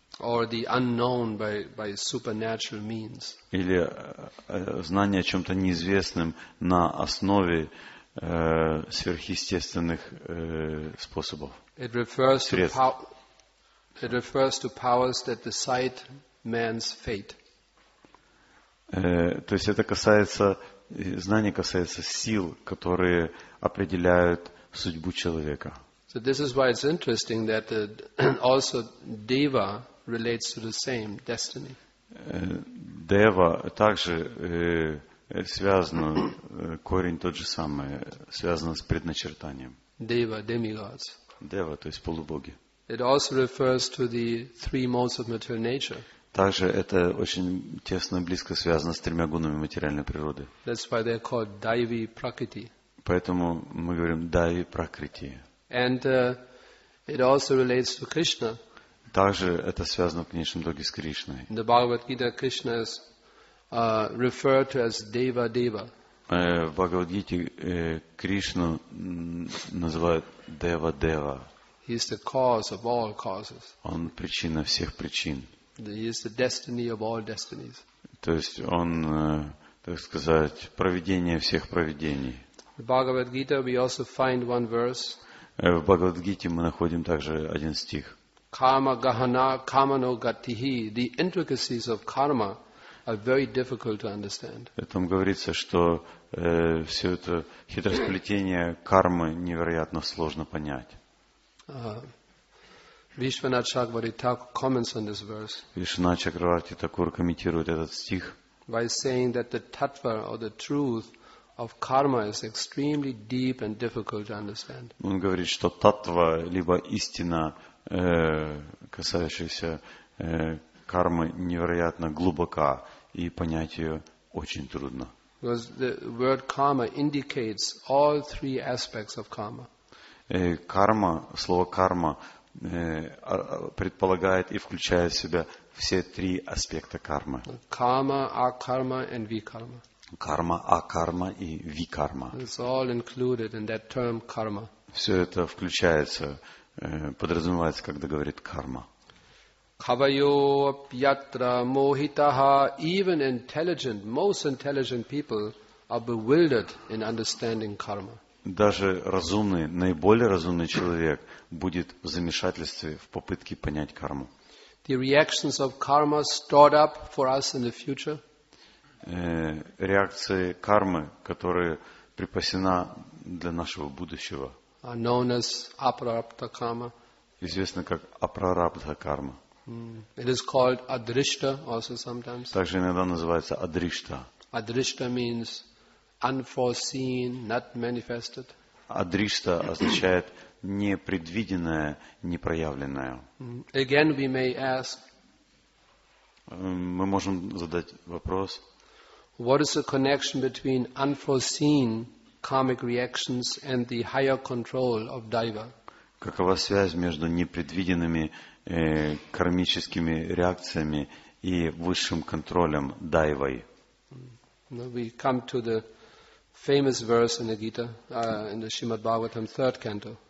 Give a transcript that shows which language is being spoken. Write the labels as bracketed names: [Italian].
[English] Or the unknown by supernatural means. [Russian] Или знание о чем-то неизвестном на основе сверхъестественных способов. [English] It refers to powers that decide man's fate. [Russian] То есть это касается, знание касается сил, которые определяют судьбу человека. [English] So this is why it's interesting that also Deva relates to the same destiny. [Russian] Дева также связана, корень тот же самый, связан с предначертанием. [English] Дева, demigods. [Russian] Дева, то есть полубоги. [English] It also refers to the three modes of material nature. [Russian] Также это очень тесно и близко связано с тремя гунами материальной природы. [English] That's why they're called Daivi Prakriti. [Russian] Поэтому мы говорим Daivi Prakriti. [English] And it also relates to Krishna. [Russian] Также это связано в конечном итоге с Кришной. [English] In the Bhagavad Gita, Krishna is referred to as Deva Deva. [Russian] В Bhagavad Gita Кришну называют Deva Deva. [English] He is the cause of all causes. [Russian] Он причина всех причин. [English] He is the destiny of all destinies. [Russian] То есть он, так сказать, провидение всех провидений. [English] In Bhagavad Gita we also find one verse. [Russian] В Bhagavad Gita мы находим также один стих. [Sanskrit] Karma gahana kamano gatihi. [English] The intricacies of karma are very difficult to understand. [Russian] Там говорится, что все это хитросплетение кармы невероятно сложно понять. [English] Вишванат Чакраварти Такур comments on this verse. [Russian] Вишванат Чакраварти Такур комментирует этот стих. [English] By saying that the tattva or the truth of karma is extremely deep and difficult to understand. [Russian] Он говорит, что таттва либо истина, касающаяся кармы, невероятно глубока и понять ее очень трудно. [English] Because the word karma indicates all three aspects of karma. [Russian] Карма, слово карма предполагает и включает в себя все три аспекта кармы. Карма, акарма и викарма. Карма, акарма и викарма. [English] It's all included in that term karma. [Russian] Все это включается, подразумевается, когда говорит карма. [Sanskrit] Кавайо апьятра мохитаха. [English] Even intelligent, most intelligent people are bewildered in understanding karma. [Russian] Даже разумный, наиболее разумный человек будет в замешательстве в попытке понять карму. [English] The reactions of karma stored up for us in the future. [Russian] Реакции кармы, которая припасена для нашего будущего. [English] Are known as апрарабдха карма. [Russian] Известно как апрарабдха карма. [English] It is called адришта also sometimes. [Russian] Также иногда называется адришта. [English] Адришта means unforeseen, not manifested. [Russian] Адришта означает непредвиденное, непроявленное. [English] Again we may ask. [Russian] Мы можем задать вопрос. [English] What is the connection between unforeseen karmic reactions and the higher control of Daiva? [Russian] Какова связь между непредвиденными кармическими реакциями и высшим контролем Дайвой? [English] We come to the famous verse in the Gita, in the Shrimad Bhagavatam, third canto.